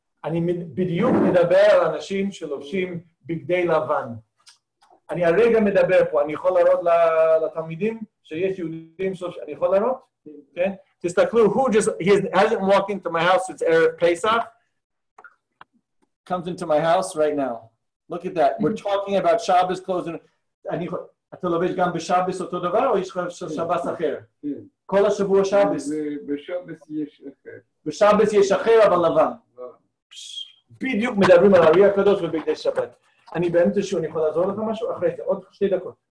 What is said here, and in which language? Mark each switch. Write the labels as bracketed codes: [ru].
[he] אני בדיוק מדבר על אנשים שלובשים בגדי לבן. אני הרגע מדבר פה, אני יכול להראות לתלמידים שיש יהודים שלובשים, אני יכול להראות? כן? תסתכלו, [en] he hasn't walked into my house since Erev Pesach. Comes into my house right now. Look at that, we're talking about Shabbos clothes. [he] אתה לובש גם בשבס אותו דבר או יש לך שבס אחר? כל השבוע שבס. בשבס יש אחר. בשבס יש אחר אבל לבן. בדיוק מדברים על הרי הקדוש ובגדי שבת. אני באמת שאני יכול לעזור לך משהו אחרי זה, עוד שתי דקות.